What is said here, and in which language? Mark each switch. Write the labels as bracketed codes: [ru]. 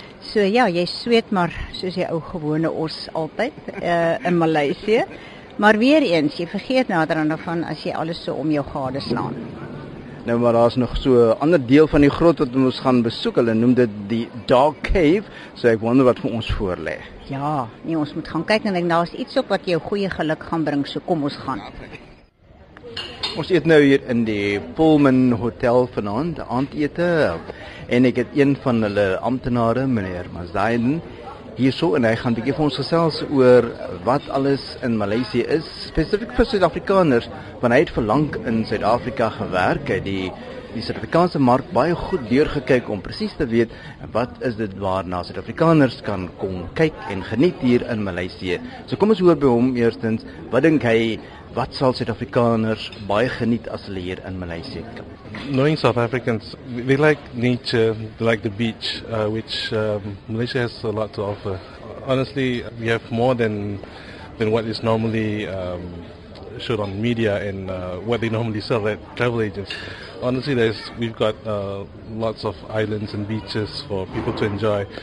[af] So ja, jy sweet maar soos jy ou gewone os altyd in Maleisië. Maar weer eens, jy vergeet naderhande van as jy alles so om jou gade slaan. Nou maar daar is nog so 'n ander deel van die grot wat ons gaan besoek. Hulle noem dit die Dark Cave. So ek wonder wat vir ons voorlê. Ja, nee, ons moet gaan kyk en ek daar is iets op wat jou goeie geluk gaan bring. So kom ons gaan. Ons eet nou hier in die Pullman Hotel vanavond, aandete. En ek het een van hulle ambtenare, meneer Mazayden, hierso en hy gaan bietjie vir ons gesels oor wat alles in Maleisië is, spesifiek vir Suid-Afrikaners, want hy het vir lank in Suid-Afrika gewerk, hy het die Suid-Afrikaanse mark baie goed deurgekyk om precies te weet wat is dit waarna Suid-Afrikaners kan kom kyk en geniet hier in Maleisië. So kom ons hoor by hom eerstens, wat denk hy, wat sal Suid-Afrikaners baie geniet as hulle hier in Maleisië kom? [en] Knowing South Africans, we like nature, they like the beach, which Malaysia has a lot to offer. Honestly, we have more than what is normally showed on media and what they normally sell at travel agents. Honestly, we've got lots of islands and beaches for people to enjoy.